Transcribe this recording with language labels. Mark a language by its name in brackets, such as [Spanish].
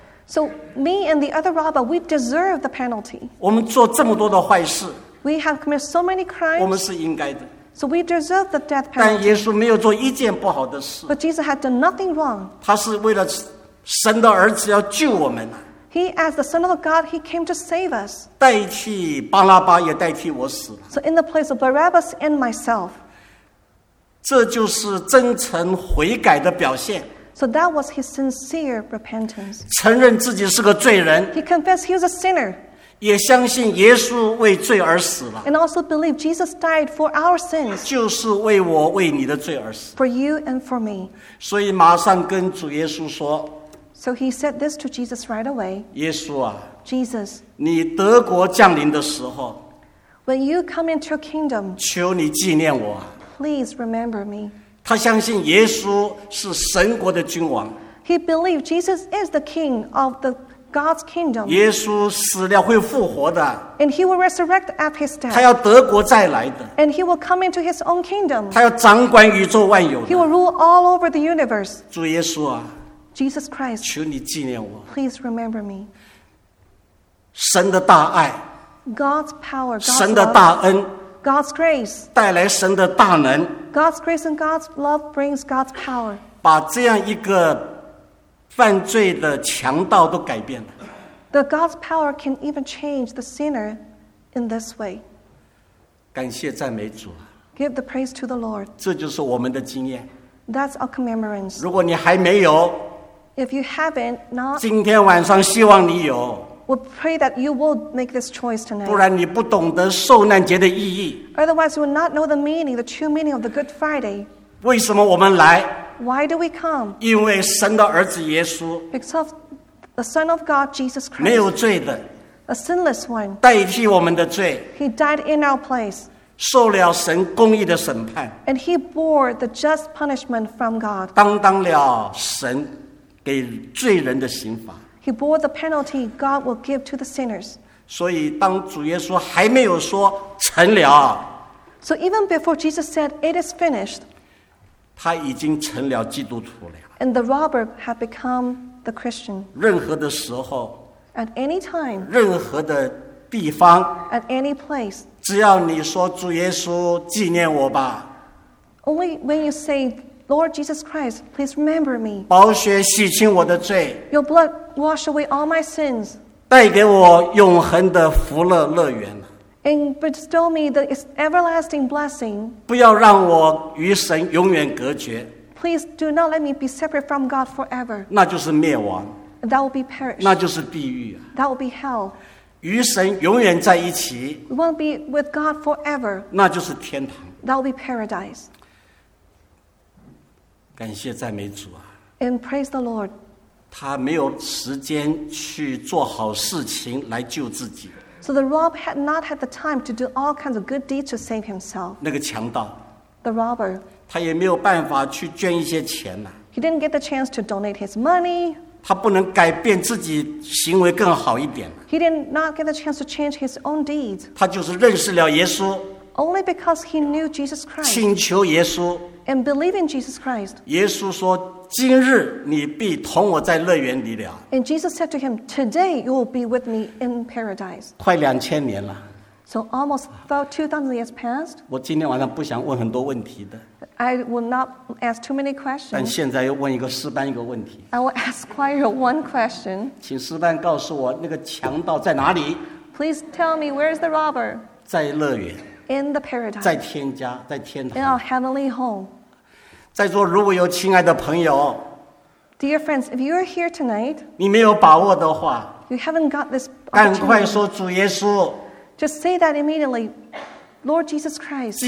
[English] So me and the other robber, we deserve the penalty. [Chinese] 我们做这么多的坏事。 [English] We have committed so many crimes. [Chinese] 我们是应该的。 [English] So we deserve the death penalty. [Chinese] 但耶稣没有做一件不好的事。 [English] But Jesus had done nothing wrong. [Chinese] 他是为了神的儿子要救我们。 [English] He as the son of God, he came to save us. [Chinese] 代替巴拉巴也代替我死了。 [English] So in the place of Barabbas and myself. [Chinese] 这就是真诚悔改的表现。 [English] So that was his sincere repentance. [Chinese] 承认自己是个罪人。 [English] He confessed he was a sinner. [Chinese] 也相信耶稣为罪而死了。 [English] And also believed Jesus died for our sins. [Chinese] 就是为我为你的罪而死。 [English] For you and for me. [Chinese] 所以马上跟主耶稣说， [English] So he said this to Jesus right away. [Chinese] 耶稣啊， [English] Jesus, [Chinese] 你德国降临的时候， [English] When you come into your kingdom, [Chinese] 求你纪念我。 [English] Please remember me. [Chinese] 他相信耶稣是神国的君王。 [English] He believed Jesus is the king of the God's kingdom. [Chinese] 耶稣死了会复活的。 [English] And he will resurrect at his death. [Chinese] 他要德国再来的。 [English] And he will come into his own kingdom. [Chinese] 他要掌管宇宙万有的。 [English] He will rule all over the universe. [Chinese] 主耶稣啊。 [English] Jesus Christ. [Chinese] 求你纪念我。 [English] Please remember me. [Chinese] 神的大爱。 [English] God's power, God's love, [Chinese] 神的大恩 [English] God's grace, [Chinese] 带来神的大能 [English] God's grace and God's love brings God's power. [Chinese] 把这样一个犯罪的强盗都改变了 [English] The God's power can even change the sinner in this way. [Chinese] 感谢赞美主 [English] Give the praise to the Lord. [Chinese] 这就是我们的经验 [English] That's our commemorance. [Chinese] 如果你还没有 [English] If you haven't, not [Chinese] 今天晚上希望你有 [English] We pray that you will make this choice tonight. [Chinese] 不然你不懂得受难节的意义。 [English] Otherwise, you will not know the meaning, the true meaning of the Good Friday. [Chinese] 为什么我们来 [English] Why do we come? [Chinese] 因为神的儿子耶稣 [English] Because of the Son of God, Jesus Christ. [Chinese] 没有罪的 [English] A sinless one. [Chinese] 代替我们的罪 [English] He died in our place. [Chinese] 受了神公义的审判 [English] And he bore the just punishment from God. [Chinese] 当当了神给罪人的刑罚。 [English] He bore the penalty God will give to the sinners. [Chinese] 所以当主耶稣还没有说成了。 [English] So even before Jesus said, it is finished. [Chinese] 他已经成了基督徒了。 [English] And the robber had become the Christian. [Chinese] 任何的时候。 [English] At any time. [Chinese] 任何的地方。 [English] At any place. [Chinese] 只要你说主耶稣纪念我吧。 [English] Only when you say,Lord Jesus Christ, please remember me. [Chinese] 宝血洗清我的罪。 [English] Your blood wash away all my sins. [Chinese] 带给我永恒的福乐乐园。 [English] And bestow me the everlasting blessing. [Chinese] 不要让我与神永远隔绝。 [English] Please do not let me be separate from God forever. [Chinese] 那就是灭亡。 [English] That will be perished. [Chinese] 那就是地狱。 [English] That will be hell. [Chinese] 与神永远在一起。 [English] We will be with God forever. [Chinese] 那就是天堂。 [English] That will be paradise. [Chinese] 感谢赞美主啊 [English] And praise the Lord. [Chinese] 他没有时间去做好事情来救自己。 [English] So the robber had not had the time to do all kinds of good deeds to save himself. [Chinese] 那个强盗。 [English] The robber. [Chinese] 他也没有办法去捐一些钱呐。 [English] He didn't get the chance to donate his money. [Chinese] 他不能改变自己行为更好一点。 [English] He did not get the chance to change his own deeds. [Chinese] 他就是认识了耶稣。 [English] Only because he knew Jesus Christ. [Chinese] 请求耶稣。 [English] And believe in Jesus Christ. [Chinese] 耶稣说今日你必同我在乐园里了。 [English] And Jesus said to him, Today you will be with me in paradise. [Chinese] 快两千年了。 [English] So almost about 2,000 years passed. [Chinese] 我今天晚上不想问很多问题的。 [English] I will not ask too many questions. [Chinese] 但现在又问一个诗班一个问题。 [English] I will ask choir one question. [Chinese] 请诗班告诉我那个强盗在哪里。 [English] Please tell me, where is the robber? [Chinese] 在乐园。 [English] In the paradise, [Chinese] 在天家，在天堂。 [English] In our heavenly home. [Chinese] 在座如果有亲爱的朋友 [English] ，Dear friends, if you are here tonight, [Chinese] 你没有把握的话 [English] ，You haven't got this. [Chinese] 赶快说主耶稣。 [English] Just say that immediately, Lord Jesus Christ.